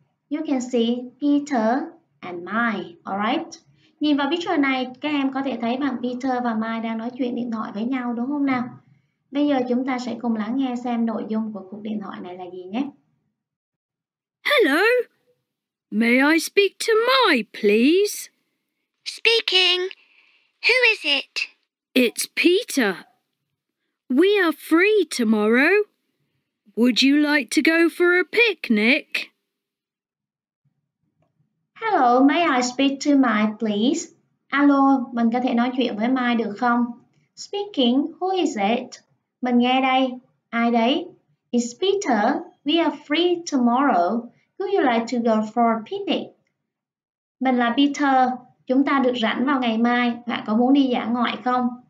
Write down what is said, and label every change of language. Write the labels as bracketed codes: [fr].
[en] You can see Peter and Mai, all right? [vi] Nhìn vào picture này, các em có thể thấy bạn Peter và Mai đang nói chuyện điện thoại với nhau đúng không nào? Bây giờ chúng ta sẽ cùng lắng nghe xem nội dung của cuộc điện thoại này là gì nhé. [en] Hello. May I speak to Mai, please? Speaking. Who is it? It's Peter. We are free tomorrow. Would you like to go for a picnic? Hello, may I speak to Mai, please? [vi] Alo, mình có thể nói chuyện với Mai được không? [en] Speaking, who is it? [vi] Mình nghe đây, ai đấy? [en] It's Peter, we are free tomorrow. Would you like to go for a picnic? [vi] Mình là Peter, chúng ta được rảnh vào ngày mai, bạn có muốn đi dã ngoại không?